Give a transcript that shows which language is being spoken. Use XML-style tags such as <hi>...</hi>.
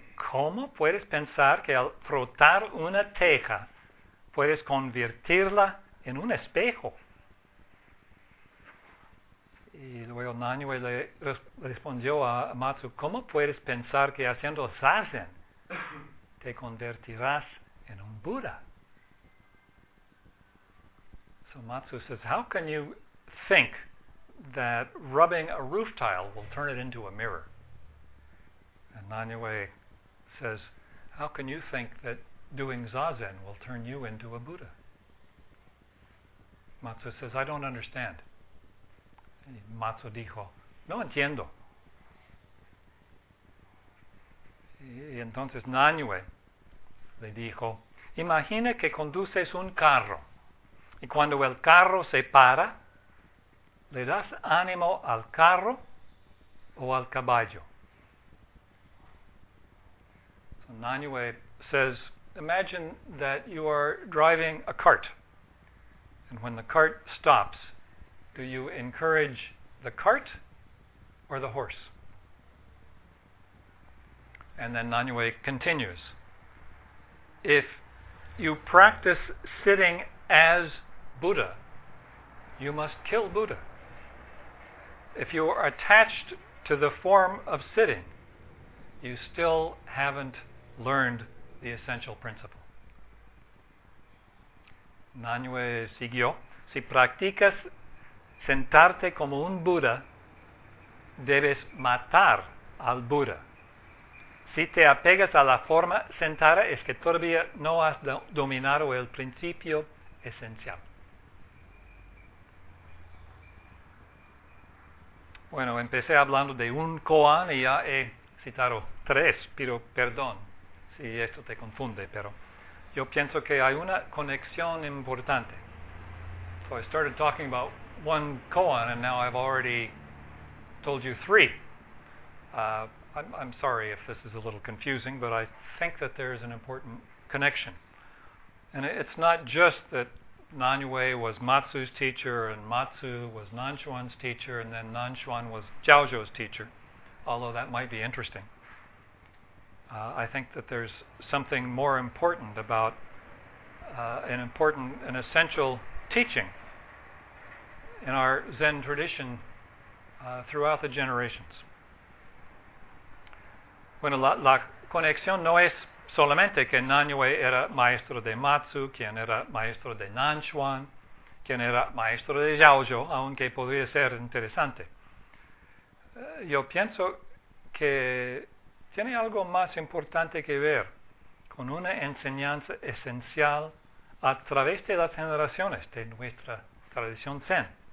<es>¿Cómo puedes pensar que al frotar una teja puedes convertirla en un espejo? Y luego Nanyue le respondió a Matsu, ¿cómo puedes pensar que haciendo zazen te convertirás en un Buda?</es> <en>So Matsu says, how can you think that rubbing a roof tile will turn it into a mirror? And Nanyue says, How can you think that doing Zazen will turn you into a Buddha? Matsu says, I don't understand.</en> <es>Matsu dijo, no entiendo. Y entonces Nanyue le dijo, imagina que conduces un carro y cuando el carro se para, ¿le das ánimo al carro o al caballo?</es> <en>So Nanyue says, imagine that you are driving a cart. And when the cart stops, do you encourage the cart or the horse? And then Nanyue continues, if you practice sitting as Buddha, you must kill Buddha. If you are attached to the form of sitting, you still haven't learned the essential principle.</en> <es>Nanyue siguió, si practicas sentarte como un Buda, debes matar al Buda. Si te apegas a la forma sentada, es que todavía no has dominado el principio esencial. Bueno, empecé hablando de un koan y ya he citado tres, pero perdón si esto te confunde, pero yo pienso que hay una conexión importante.</es> <en>So I started talking about one koan and now I've already told you three. I'm sorry if this is a little confusing, but I think that there is an important connection. And it's not just that Nanyue was Matsu's teacher and Matsu was Nanchuan's teacher and then Nanchuan was Jiaozhou's teacher, although that might be interesting. I think that there's something more important about an important and essential teaching in our Zen tradition throughout the generations.</en> <es>Bueno, la conexión no es solamente que Nanyue era maestro de Matsu, quien era maestro de Nanchuan, quien era maestro de Jiaozhou, aunque podría ser interesante. Yo pienso que tiene algo más importante que ver con una enseñanza esencial a través de las generaciones de nuestra tradición Zen.</es>